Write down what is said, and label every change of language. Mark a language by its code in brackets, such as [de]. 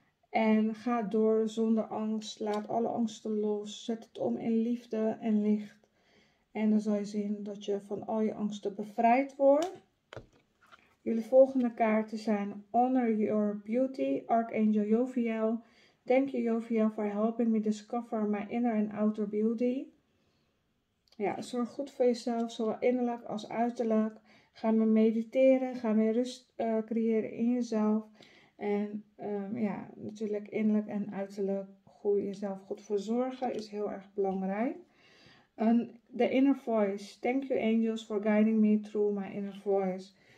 [nl] En ga door zonder angst, laat alle angsten los, zet het om in liefde en licht. En dan zal je zien dat je van al je angsten bevrijd wordt. Jullie volgende kaarten zijn Honor Your Beauty, Archangel Joviel. [en] Thank you Joviel for helping me discover my inner and outer beauty. [nl] Ja, zorg goed voor jezelf, zowel innerlijk als uiterlijk. Ga meer mediteren, ga meer rust creëren in jezelf. En ja, natuurlijk innerlijk en uiterlijk goed jezelf goed verzorgen is heel erg belangrijk. [en] The Inner Voice, thank you angels for guiding me through my inner voice.